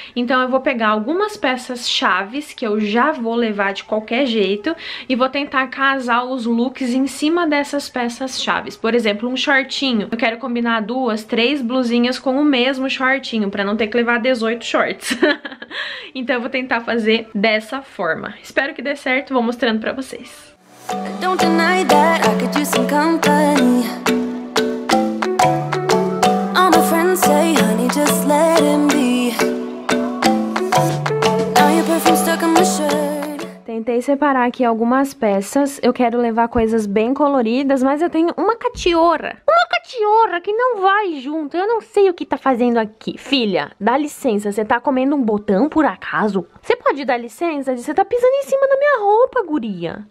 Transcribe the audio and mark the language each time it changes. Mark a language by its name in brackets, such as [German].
[Portuguese] Então, eu vou pegar algumas peças-chave que eu já vou levar de qualquer jeito e vou tentar casar os looks em cima dessas peças-chave. Por exemplo, um shortinho. Eu quero combinar duas, três blusinhas com o mesmo shortinho, para não ter que levar 18 shorts. Então, eu vou tentar fazer dessa forma. Espero que dê certo, vou mostrando para vocês. [English] Don't deny that I could use some company. All my friends say, honey, just let him be. Now your perfume stuck on my shirt. [Portuguese] Tentei separar aqui algumas peças. Eu quero levar coisas bem coloridas, mas eu tenho uma catiora. Uma catiora que não vai junto. Eu não sei o que tá fazendo aqui. Filha, dá licença. Você tá comendo um botão por acaso? Você pode dar licença? Você tá pisando em cima da minha roupa, guria.